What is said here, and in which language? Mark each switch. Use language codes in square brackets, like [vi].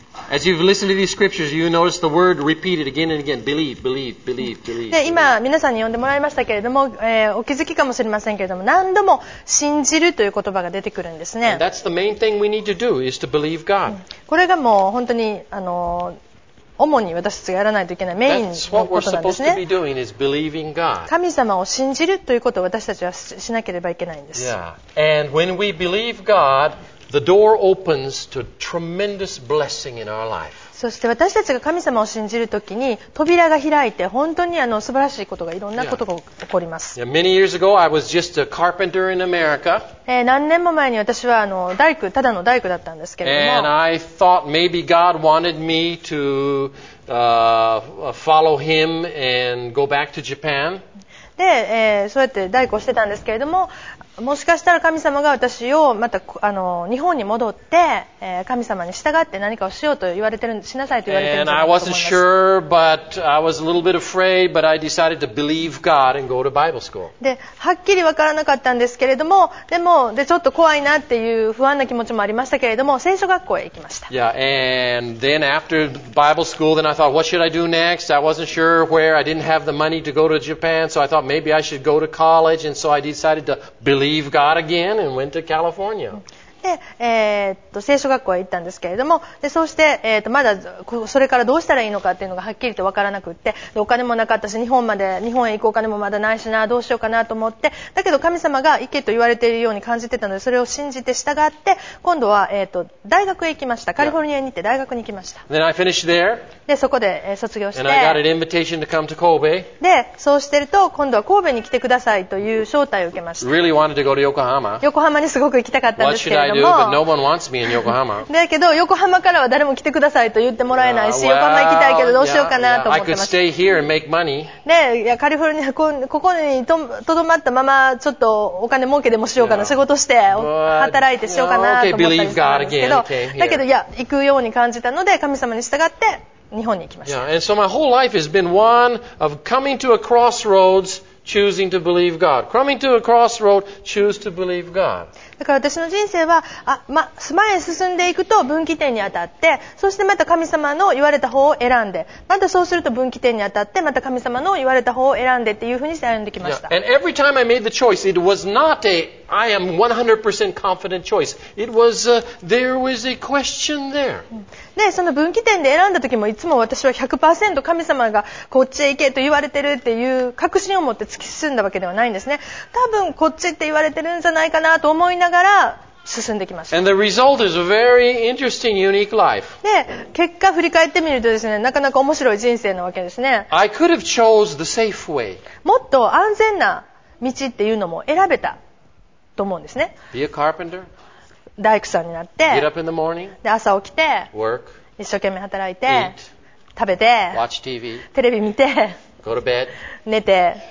[en] As you've listened to these scriptures, you notice the word repeated again and again. Believe, believe, believe, believe. [ja] 今皆さんに読んでもらいましたけれども、お気づきかもしれませんけれども、何度も信じるという言葉が出てくるんですね。 [en] And that's the main thing we need to do is to believe God. [ja] これがもう本当に主に私たちがやらないといけないメインのことなんですね。神様を信じるということを私たちは しなければいけないんです。 [en] Yeah. And when we believe God, the door opens to tremendous blessing in our life. [ja] そして私たちが神様を信じるときに扉が開いて、本当に素晴らしいことが、いろんなことが起こります。 Yeah. Yeah. [en] Many years ago, I was just a carpenter in America. [ja] 何年も前に私は大工、ただの大工だったんですけれども。 [en] And I thought maybe God wanted me to follow him and go back to Japan. [ja] で、そうやって大工をしてたんですけれども、もしかしたら神様が私をまた日本に戻って、神様に従って何かをしようと言われてる、しなさいと言われてるんじゃないかと思います。 [en] And I wasn't sure, but I was a little bit afraid, but I decided to believe God and go to Bible school. [ja] で、はっきり分からなかったんですけれども、でちょっと怖いなっていう不安な気持ちもありましたけれども、聖書学校へ行きました。 [en] Yeah, and then after Bible school, then I thought, what should I do next? I wasn't sure where. I didn't have the money to go to Japan, so I thought maybe I should go to college, and so I decided to believe God again and went to California. [ja] で、聖書学校へ行ったんですけれども、でそうして、まだそれからどうしたらいいのかっていうのがはっきりと分からなくって、お金もなかったし、日本へ行くお金もまだないしな、どうしようかなと思って、だけど神様が行けと言われているように感じてたので、それを信じて従って、今度は、大学へ行きました。カリフォルニアに行って大学に行きました。 [en] Then I finished there. [ja] でそこで、卒業して、 [en] And I got an invitation to come to Kobe. [ja] でそうしてると、今度は神戸に来てくださいという招待を受けました。 [en] Really wanted to go to Yokohama. [ja] 横浜にすごく行きたかったんですけど、だけど横浜からは誰も来てくださいと言ってもらえないし、横浜行きたいけどどうしようかなと思ってました。で、いやカリフォルニア、ここにとどまったままちょっとお金儲けでもしようかな、仕事して働いてしようかなと思ったりしたんですけど、だけどいや行くように感じたので神様に従って日本に行きました。 [en] And so my whole life has been one of coming to a crossroads. Choosing to believe God. Coming to a crossroad, choose to believe God. [ja] だから私の人生は、前へ進んでいくと分岐点に当たって、そしてまた神様の言われた方を選んで、またそうすると分岐点に当たって、また神様の言われた方を選んでっていうふうにして歩んできました。 [en] Yeah. And every time I made the choice, it was not a I am 100% confident choice. It was a, there was a question there. [ja] でその分岐点で選んだ時もいつも私は 100% 神様がこっちへ行けと言われてるっていう確信を持って突き進んだわけではないんですね。多分こっちって言われてるんじゃないかなと思いながら進んできました。 [en] And the result is a very interesting, unique life. [ja] で結果振り返ってみるとですね、なかなか面白い人生なわけですね。 [en] I could have chose the safe way. [ja] もっと安全な道っていうのも選べたと思うんですね。 [en] Be a carpenter. [ja] 大工さんになって、 [en] Get up in the morning, [ja] で朝起きて、 [en] work, [ja] 一生懸命働いて、 [en] eat, [ja] 食べて、 [en] watch TV, [ja] テレビ見て、 [en] go to bed, [ja] 寝て、